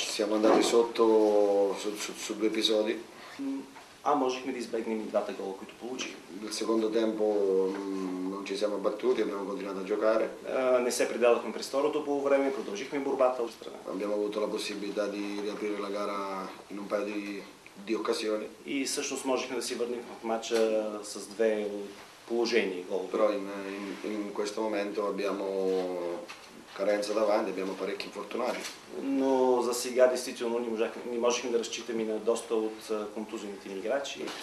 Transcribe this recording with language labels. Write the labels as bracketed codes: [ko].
[it] Siamo andati sotto su due episodi. [bg] А можехме да избегнем и двата гола, които получихме. [it] Nel secondo tempo non ci siamo battuti, abbiamo continuato a giocare. [bg] Не се предадохме през второто полувреме, продължихме борбата от страна. [it] Abbiamo avuto la possibilità di riaprire la gara in un paio di occasioni. [bg] И всъщност можехме да си върнем в матча с две положения гол. [it] Però in questo momento abbiamo carenza davanti, abbiamo parecchi infortunati. [bg] Но за сега действително не можехме да разчитаме на доста от контузените ни играчи.